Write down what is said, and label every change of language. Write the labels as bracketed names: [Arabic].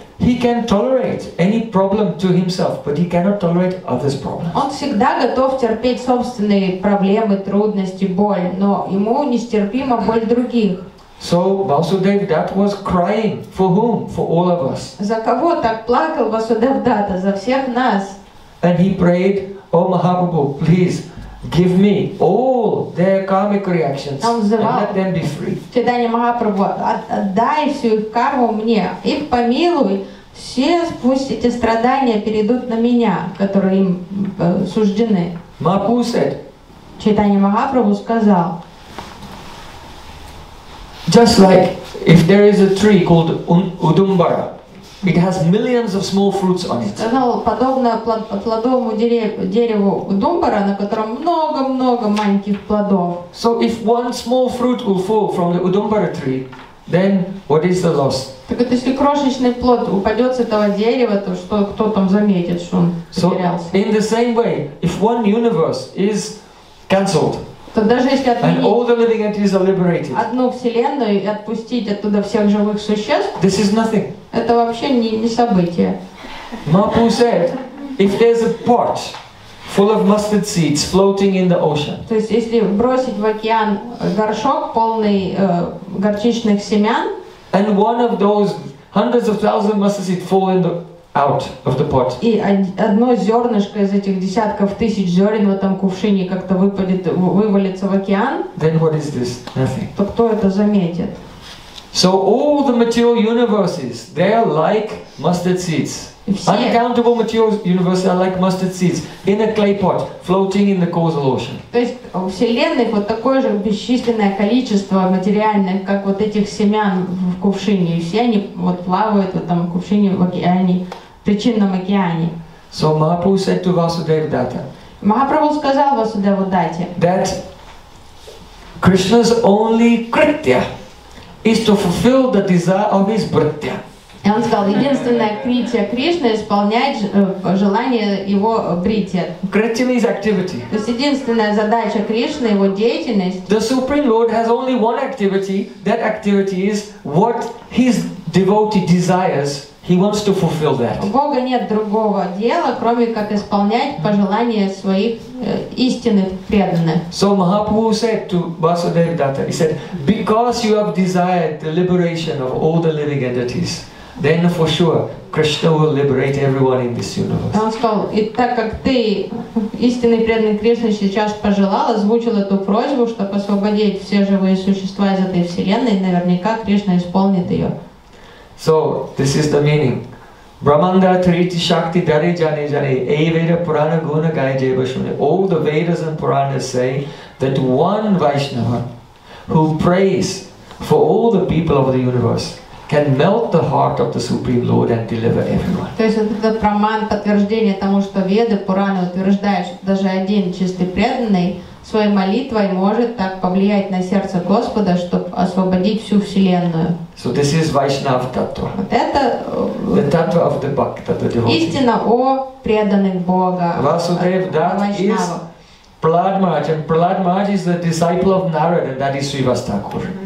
[English] He can tolerate any problem to himself, but he cannot tolerate others' problems. [Russian] Он всегда готов терпеть собственные проблемы, трудности, боль, но ему нестерпима боль других. [English] So Vasudev Dutt was crying for whom? For all of us. [Russian] За кого так плакал Васудев Датт? За всех нас. [English] And he prayed, "Oh Mahaprabhu, please give me all their karmic reactions and let them be free." [Russian] Чайтанья Махапрабху, отдай всю их карму мне, их помилуй, Все пусть эти страдания перейдут на меня, которые им суждены. Мапусет. Чайтанья Махапрабху сказал. [English] Just like if there is a tree called Удумбара, it has millions of small fruits on it. [Russian] Сказал, подобно плодовому дереву Удумбара, на котором много-много маленьких плодов. [English] So if one small fruit will fall from the Удумбара tree, then what is the loss? [Russian] Так вот, если крошечный плод упадет с этого дерева, то что, кто там заметит, что он потерялся? [English] So in the same way, if one universe is cancelled, [Russian] то даже если отменить [English] all the living entities are liberated, [Russian] одну вселенную и отпустить оттуда всех живых существ, [English] this is nothing. [Russian] Это вообще не событие. [English] Mapu said, if there's a pot full of mustard seeds floating in the ocean. [Russian] То есть если бросить в океан горшок полный горчичных семян, [English] and one of those hundreds of thousands of mustard seeds fall in the out of the pot. [Russian] И одно зернышко из этих десятков тысяч зерен в этом кувшине как-то выпадет, вывалится в океан. [English] Then what is this? Nothing. [Russian] То кто это заметит? [English] So all the material universes, they are like mustard seeds. Uncountable material universes are like mustard seeds in a clay pot, floating in the causal ocean. [Russian] То есть у вселенной вот такое же бесчисленное количество материальных, как вот этих семян в кувшине, и все они вот плавают в этом кувшине в океане, в причинном океане. [English] So Mahaprabhu said to Vasudeva Datta. [Russian] Махапрабху сказал Васудеву Дате. [English] That Krishna's only kritya is to fulfill the desire of his bhritya. [Russian] И он сказал, единственное критья Кришны исполнять желание его бритья. [English] Критья means activity. [Russian] То есть единственная задача Кришны, его деятельность. [English] The Supreme Lord has only one activity. That activity is what his devotee desires. He wants to fulfill that. [Russian] У Бога нет другого дела, кроме как исполнять пожелания своих истинных преданных. [English] So Mahaprabhu said to Vasudeva Datta, he said, because you have desired the liberation of all the living entities, then for sure Krishna will liberate everyone in this universe. [Russian] Он сказал, и так как ты, истинный преданный Кришна, сейчас пожелал, озвучил эту просьбу, чтобы освободить все живые существа из этой вселенной, наверняка Кришна исполнит ее. [English] So this is the meaning. [Sanskrit] Brahmanda Triti Shakti Dare Jane Jane A Veda Purana Guna Gai Jeva Shune. [English] All the Vedas and Puranas say that one Vaishnava who prays for all the people of the universe can melt the heart of the Supreme Lord and deliver everyone. [Russian] То есть этот Браман подтверждение тому, что Веды, Пураны утверждают, что даже один чистый преданный своей молитвой может так повлиять на сердце Господа, чтобы освободить всю Вселенную. [English] So this is Vaishnava Tattva. [Russian] Это [English] the Tattva of the Bhakta, the devotee. [Russian] Истина о преданных Бога. [English] Vasudev Datta is Prahlad Maharaj, and Prahlad Maharaj is the disciple of Narada, and that is Srivastakur.